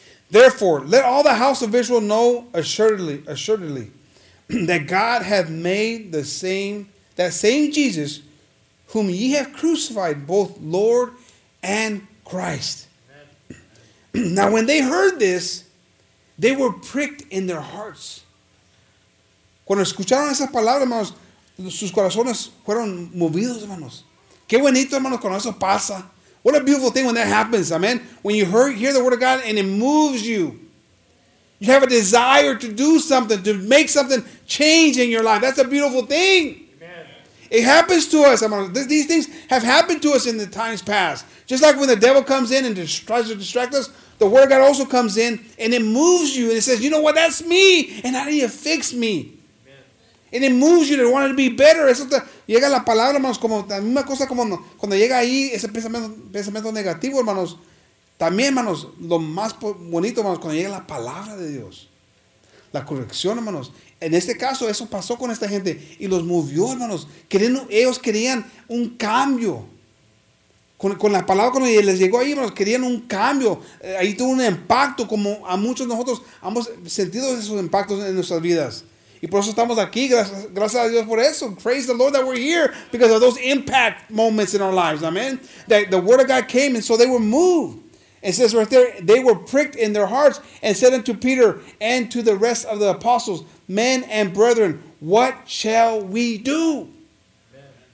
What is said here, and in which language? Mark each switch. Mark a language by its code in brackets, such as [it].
[en] Therefore, let all the house of Israel know assuredly that God hath made that same Jesus, whom ye have crucified, both Lord and Christ. Now when they heard this, they were pricked in their hearts. [es] Cuando escucharon esas palabras, hermanos, sus corazones fueron movidos, hermanos. Qué bonito, hermanos, cuando eso pasa. [en] What a beautiful thing when that happens, amen. When you hear the Word of God and it moves you. You have a desire to do something, to make something change in your life. That's a beautiful thing. It happens to us. These things have happened to us in the times past. Just like when the devil comes in and tries to distract us, the Word of God also comes in and it moves you. And it says, you know what, that's me. And how do you fix me? Amen. And it moves you to want to be better. [es] Llega la palabra, hermanos, como la misma cosa como cuando llega ahí ese pensamiento negativo, hermanos. También, hermanos, lo más bonito, hermanos, cuando llega la palabra de Dios. La corrección, hermanos. En este caso, eso pasó con esta gente y los movió, hermanos. Ellos querían un cambio. Con la palabra, cuando les llegó ahí, hermanos, querían un cambio. Ahí tuvo un impacto, como a muchos de nosotros hemos sentido esos impactos en nuestras vidas. Y por eso estamos aquí, gracias a Dios por eso. [en] Praise the Lord that we're here because of those impact moments in our lives, amen. That the Word of God came and so they were moved. It says right there, they were pricked in their hearts and said unto Peter and to the rest of the apostles, men and brethren, what shall we do? Amen.